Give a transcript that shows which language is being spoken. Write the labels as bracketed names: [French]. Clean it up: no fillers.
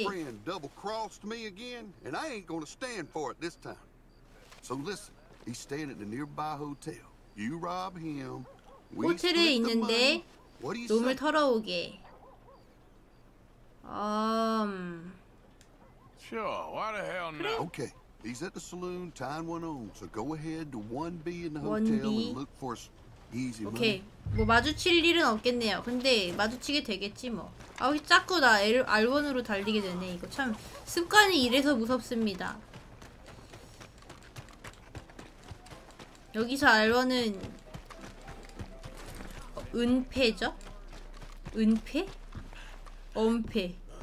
[English] My friend double crossed me again, and I ain't gonna stand for it this time. So listen, he's staying at the nearby hotel. You rob him. [Korean] 호텔에 있는데 놈을 털어오게. [English] Sure, why the hell not? Okay. He's at the saloon, tying one on. So go ahead to 1B in the hotel and look for easy money. Okay. [Korean] 뭐 마주칠 일은 없겠네요. 근데 마주치게 되겠지 뭐. 아우 자꾸 나 R1으로 달리게 되네. 이거 참 습관이 이래서 무섭습니다. 여기서 R1은 은폐죠? 은폐? 은폐.